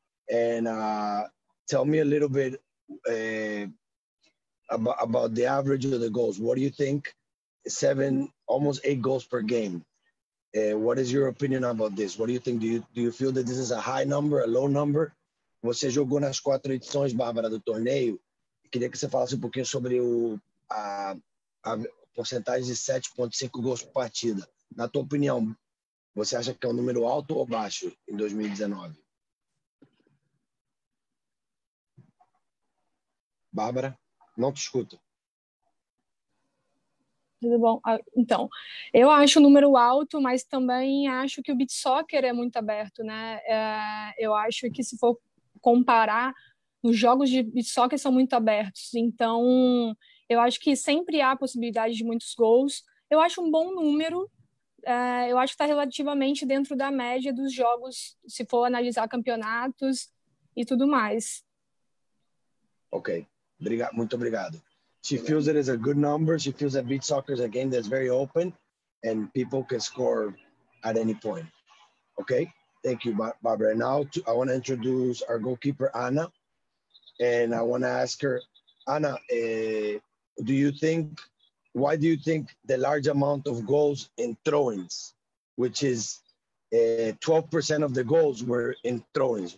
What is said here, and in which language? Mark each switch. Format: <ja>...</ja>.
<en>And tell me a little bit about the average of the goals. What do you think? Seven, almost eight goals per game. What is your opinion about this? What do you think? Do you feel that this is a high number, a low number?</en> <pt>Você jogou nas quatro edições, Bárbara, do torneio. Queria que você falasse um pouquinho sobre a porcentagem de 7.5 gols por partida. Na tua opinião, você acha que é um número alto ou baixo em 2019? Bárbara, não te escuto. Tudo bom? Então, eu acho o número alto, mas também acho que o beach soccer é muito aberto, né? Eu acho que se for comparar os jogos de soccer são muito abertos, então eu acho que sempre há possibilidade de muitos gols. Eu acho um bom número, eu acho que está relativamente dentro da média dos jogos, se for analisar campeonatos e tudo mais.</pt> <en>Ok,</en> <pt>muito obrigado.</pt> <en>She feels it is a good number. She feels that beach soccer is a game that's very open and people can score at any point. Okay, thank you, Barbara. Now I want to introduce our goalkeeper, Anna. And I want to ask her, Anna, why do you think the large amount of goals in throw-ins, which is 12% of the goals were in throw-ins?</en>